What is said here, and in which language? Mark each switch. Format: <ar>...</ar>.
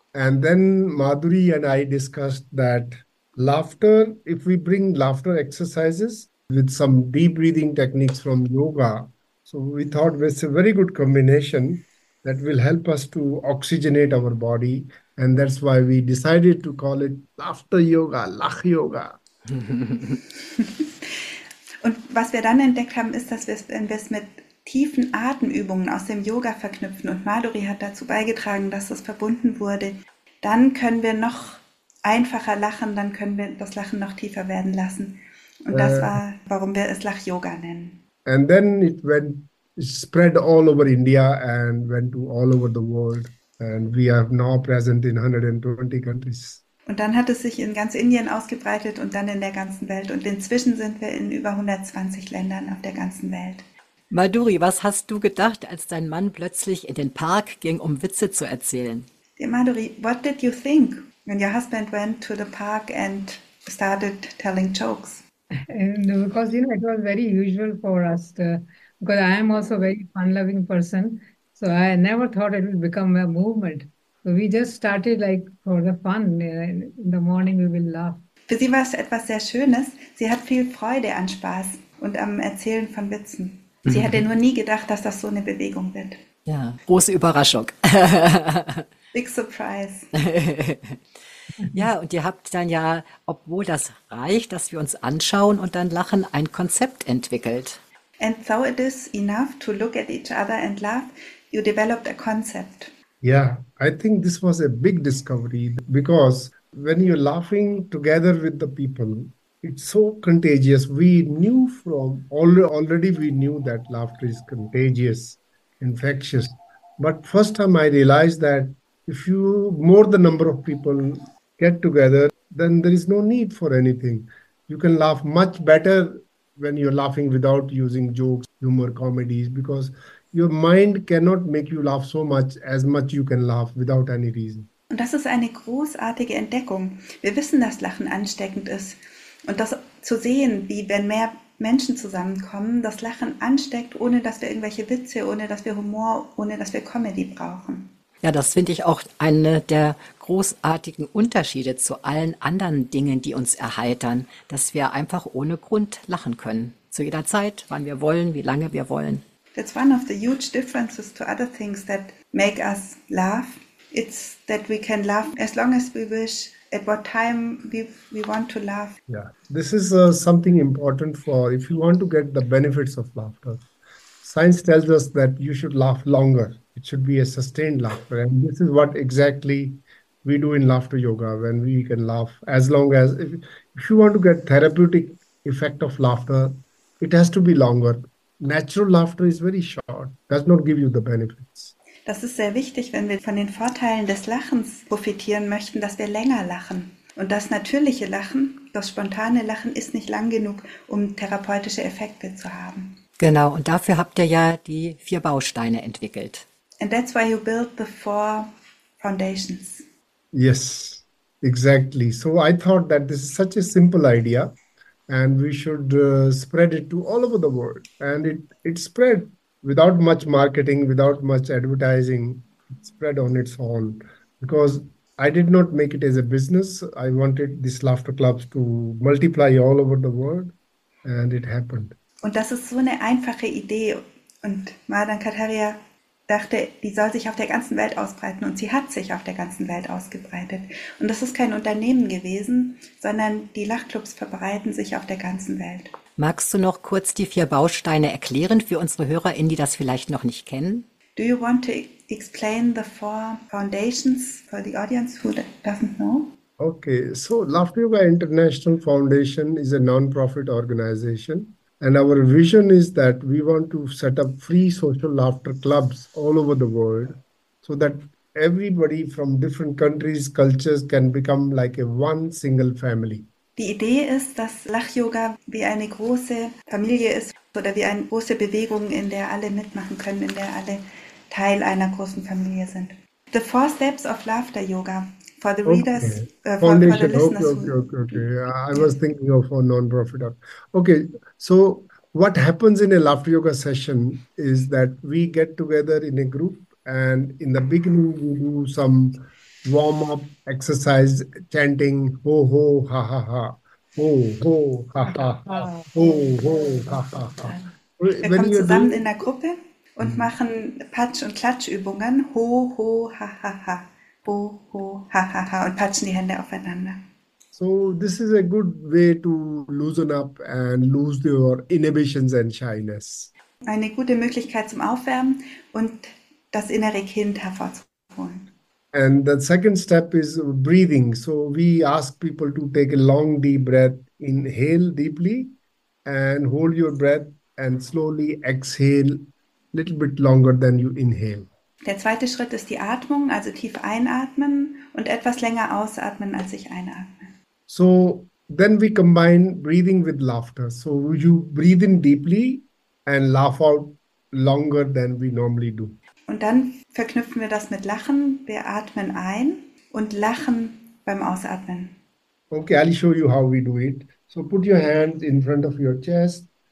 <en>And then Madhuri and I discussed that laughter, if we bring laughter exercises with some deep breathing techniques from yoga, so we thought it's a very good combination that will help us to oxygenate our body. And that's why we decided to call it laughter yoga, lach yoga.</en> <de>Und was wir dann entdeckt haben, ist, dass wir es, wenn wir es mit tiefen Atemübungen aus dem Yoga verknüpfen, und Madhuri hat dazu beigetragen, dass das verbunden wurde, dann können wir noch einfacher lachen, dann können wir das Lachen noch tiefer werden lassen. Und das war, warum wir es Lach-Yoga nennen.</de> <en>And then it went, it spread all over India and went to all over the world. And we are now present in 120 countries.</en> <de>Und dann hat es sich in ganz Indien ausgebreitet und dann in der ganzen Welt. Und inzwischen sind wir in über 120 Ländern auf der ganzen Welt. Madhuri, was hast du gedacht, als dein Mann plötzlich in den Park ging, um Witze zu erzählen?</de> <en>Dear Madhuri, what did you think when your husband went to the park and started telling jokes? And because, you know, it was very usual for us to, because I am also a very fun-loving person, so I never thought it would become a movement. So we just started like for the fun. In the morning we will laugh.</en> <de>Für sie war es etwas sehr Schönes. Sie hat viel Freude an Spaß und am Erzählen von Witzen. Sie hatte nur nie gedacht, dass das so eine Bewegung wird. Ja, große Überraschung.</de> <en>Big surprise.</en> <de>Ja, und ihr habt dann ja, obwohl das reicht, dass wir uns anschauen und dann lachen, ein Konzept entwickelt.</de> <en>And so it is enough to look at each other and laugh. You developed a concept. Yeah, I think this was a big discovery because when you're laughing together with the people, it's so contagious. We knew from already we knew that laughter is contagious, infectious. But first time I realized that if you more the number of people get together, then there is no need for anything. You can laugh much better when you're laughing without using jokes, humor, comedies, because your mind cannot make you laugh so much as much you can laugh without any reason.</en> <de>Und das ist eine großartige Entdeckung. Wir wissen, dass Lachen ansteckend ist. Und das zu sehen, wie wenn mehr Menschen zusammenkommen, das Lachen ansteckt, ohne dass wir irgendwelche Witze, ohne dass wir Humor, ohne dass wir Comedy brauchen. Ja, das finde ich auch eine der großartigen Unterschiede zu allen anderen Dingen, die uns erheitern, dass wir einfach ohne Grund lachen können. Zu jeder Zeit, wann wir wollen, wie lange wir wollen.</de> <en>That's one of the huge differences to other things that make us laugh. It's that we can laugh as long as we wish, at what time we want to laugh. Yeah, this is something important for if you want to get the benefits of laughter. Science tells us that you should laugh longer. It should be a sustained laughter. And this is what exactly we do in laughter yoga, when we can laugh as long as, if you want to get therapeutic effect of laughter, it has to be longer. Natural laughter is very short, does not give you the benefits.</en> <de>Das ist sehr wichtig, wenn wir von den Vorteilen des Lachens profitieren möchten, dass wir länger lachen. Und das natürliche Lachen, das spontane Lachen, ist nicht lang genug, um therapeutische Effekte zu haben. Genau, und dafür habt ihr ja die vier Bausteine entwickelt.</de> <en>And that's why you build the four foundations. Yes, exactly. So I thought that this is such a simple idea and we should spread it to all over the world. And it spread without much marketing, without much advertising. It spread on its own because I did not make it as a business. I wanted these laughter clubs to multiply all over the world and it happened.</en> <de>Und das ist so eine einfache Idee. Und Madan Kataria dachte, die soll sich auf der ganzen Welt ausbreiten. Und sie hat sich auf der ganzen Welt ausgebreitet. Und das ist kein Unternehmen gewesen, sondern die Lachclubs verbreiten sich auf der ganzen Welt. Magst du noch kurz die vier Bausteine erklären für unsere HörerInnen, die das vielleicht noch nicht kennen?</de> <en>Do you want to explain the four foundations for the audience who doesn't know? Okay, so Laughter Yoga International Foundation is a non-profit organization. And our vision is that we want to set up free social laughter clubs all over the world so that everybody from different countries, cultures can become like a one single family.</en> <de>Die Idee ist, dass Lach-Yoga wie eine große Familie ist oder wie eine große Bewegung, in der alle mitmachen können, in der alle Teil einer großen Familie sind.</de> <en>The four steps of laughter yoga for the readers, okay. For the listeners. I was thinking of a non-profit. Okay, so what happens in a laughter yoga session is that we get together in a group and in the beginning we do some warm-up exercise, chanting ho ho ha ha ha, ho ho ha ha, ho ho ha ha ha.</en> <de>Wir kommen zusammen in der Gruppe und machen Patsch- und Klatschübungen, ho ho ha ha ha, ho ho ha ha ha, und patschen die Hände aufeinander.</de> <en>So this is a good way to loosen up and lose your inhibitions and shyness.</en> <de>Eine gute Möglichkeit zum Aufwärmen und das innere Kind hervorzuholen.</de> <en>And the second step is breathing. So we ask people to take a long, deep breath. Inhale deeply and hold your breath and slowly exhale a little bit longer than you inhale.</en> <de>Der zweite Schritt ist die Atmung, also tief einatmen und etwas länger ausatmen, als ich einatme.</de> <en>So then we combine breathing with laughter. So you breathe in deeply and laugh out longer than we normally do.</en> <de>Und dann verknüpfen wir das mit Lachen. Wir atmen ein und lachen beim Ausatmen.</de> <en>Okay, I'll show you how we do it. So put your hands in front of your chest.</en>